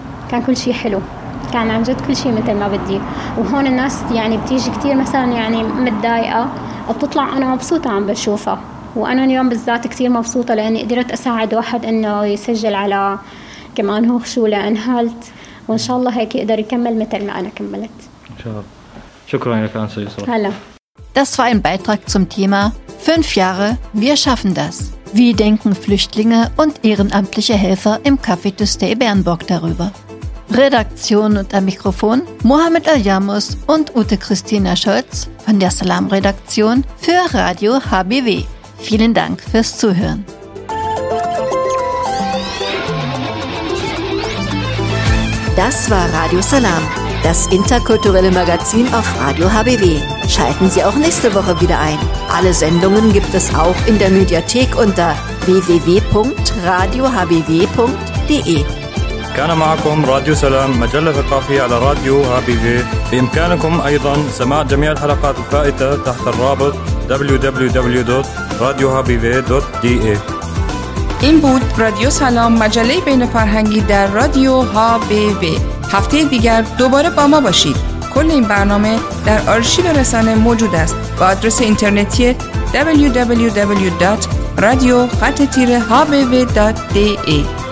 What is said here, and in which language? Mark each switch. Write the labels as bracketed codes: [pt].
[ar] كان كل شيء حلو كان عن جد كل شيء مثل ما بدي وهون الناس يعني بتيجي كتير مثلا يعني متضايقة بتطلع أنا مبسوطة عم بشوفها وأنا اليوم بالذات كتير مبسوطة لأني قدرت أساعد واحد أنه يسجل على كمان هوخشولة أنهالت وإن شاء الله هيك يقدر يكمل مثل ما أنا كملت إن شاء الله شكرا لك أنا سيسر هلا [de] Das war ein Beitrag zum Thema 5 Jahre, wir schaffen das. Wie denken Flüchtlinge und ehrenamtliche Helfer im Café to Stay Bernburg darüber? Redaktion und am Mikrofon Mohamed Al-Yamus und Ute Christina Scholz von der Salam-Redaktion für Radio HBW. Vielen Dank fürs Zuhören. Das war Radio Salam, das interkulturelle Magazin auf Radio HBW. Schalten Sie auch nächste Woche wieder ein. Alle Sendungen gibt es auch in der Mediathek unter www.radiohbw.de. [ar] كان معكم راديو سلام مجلة ثقافية على راديو HBW. بإمكانكم أيضا سماع جميع الحلقات الفائتة تحت الرابط www.radiohbw.de. [fa] این بود رادیو سلام، مجله بین فرهنگی در رادیو HBW. هفته دیگر دوباره با ما باشید. کل این برنامه در آرشیو رسانه موجود است با آدرس اینترنتی www.radio-hbw.de.